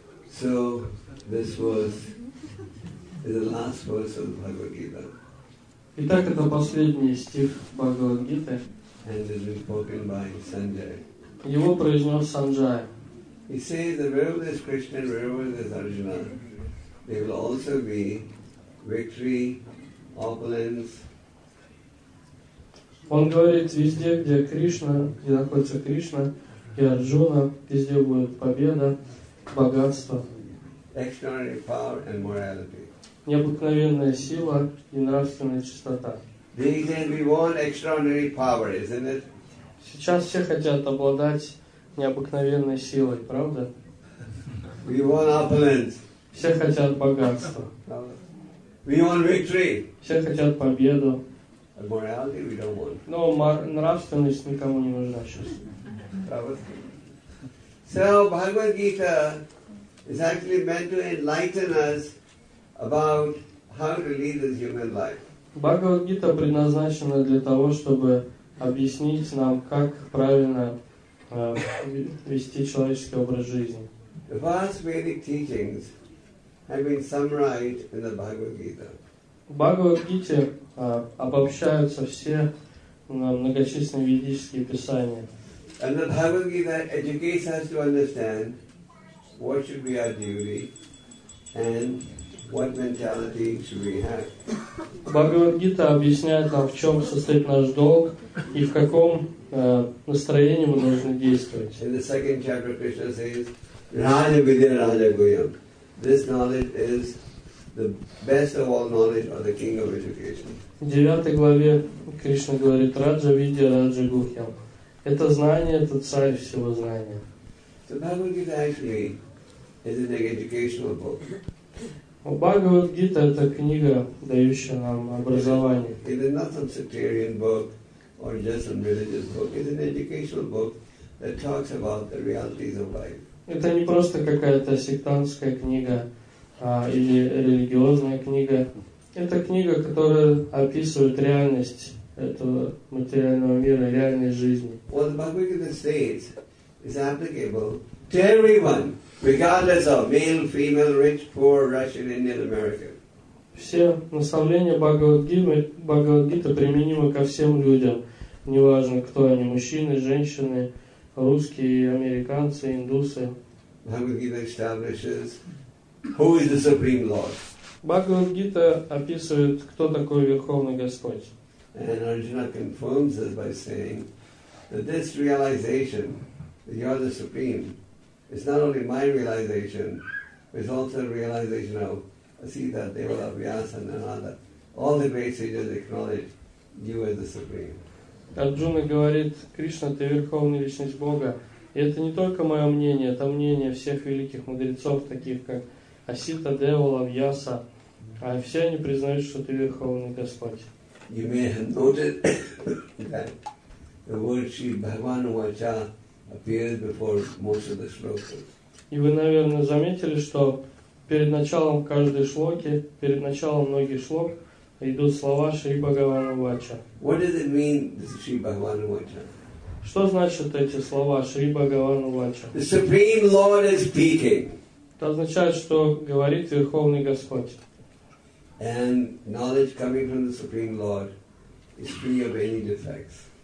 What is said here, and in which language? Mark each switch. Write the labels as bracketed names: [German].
[English] So, this was the last verse of Bhagavad Gita. [Russian] Итак, это последний стих Бхагавад Гиты. [English] And it is spoken by Sanjay. [Russian] Его произнес Санджай. [English] He says that wherever there is Krishna, wherever there is Arjuna, there will also be victory, opulence. [Russian] Он говорит, везде, где Кришна, где находится Кришна и Арджуна, везде будет победа, богатство, [English] extraordinary power and morality. [Russian] Необыкновенная сила и нравственная чистота. [English] We want extraordinary power, isn't it? [Russian] Сейчас все хотят обладать необыкновенной силой, правда? [English] We want opulence. [Russian] Все хотят богатства. [English] We want victory. [Russian] Все хотят победу. [English] Morality we don't want. [Russian] Но нравственность никому не нужна сейчас. [English] So Bhagavad Gita is actually meant to enlighten us about how to lead this human life. [Russian] Bhagavad Gita предназначена для того, чтобы объяснить нам, как правильно вести человеческий образ жизни. [English] The vast Vedic teachings have been summarized in the Bhagavad Gita. [Russian] В Бхагавад Гите обобщаются все многочисленные ведические писания. [English] And the Bhagavad Gita educates us to understand what should be our duty and what mentality should we have. [Russian] Бхагавад Гита объясняет нам, в чем состоит наш долг и в каком настроении мы должны действовать. [English] In the second chapter, Krishna says, [Sanskrit] "Raja vidya raja guyam." [English] This knowledge is the best of all knowledge, or the king of education. [Russian] В 9 главе Кришна говорит: [Sanskrit] "Раджа видья раджа гухьям." [Russian] Это знание, это царь всего знания. [English] So Bhagavad Gita actually is an educational book. [Russian] Бхагавад Гита — это книга, дающая нам образование. [English] It is not some sectarian book or just some religious book. It is an educational book that talks about the realities of life. [Russian] Это не просто какая-то сектантская книга или религиозная книга. Это книга, которая описывает реальность этого материального мира, реальной жизни. [English] What the Bhagavad Gita says is applicable to everyone. Regardless of male, female, rich, poor, Russian, Indian, American. [Russian] Все наставления Бхагавад-гиты применимы ко всем людям, неважно, кто они, мужчины, женщины, русские, американцы, индусы. [English] Бхагавад-гита establishes who is the supreme lord. [Russian] Бхагавад-гита описывает, кто такой Верховный Господь. [English] And Arjuna confirms this by saying that this realization that you are the supreme, it's not only my realization, it's also a realization of Sita, Devala, Vyasa, Narada. All the great sages acknowledge you as the supreme. [Russian] Арджуна говорит: Кришна, ты верховная личность Бога. И это не только мое мнение, это мнение всех великих мудрецов, таких как Асита, Девала, Вьяса. А все они признают, что ты верховный Господь. [English] You may have noted that the word Shri Bhagavan Vacha appears before most of the shlokas. [Russian] И вы, наверное, заметили, что перед началом каждой шлоки, перед началом многих шлок, идут слова Шри Бхагавана Вача. [English] What does it mean, Шри Бхагавана Вача? [Russian] Что значат эти слова Шри Бхагавана Вача? [English] The Supreme Lord is speaking. [Russian] Это означает, что говорит Верховный Господь. [English] And knowledge coming from the Supreme Lord is free of any defects.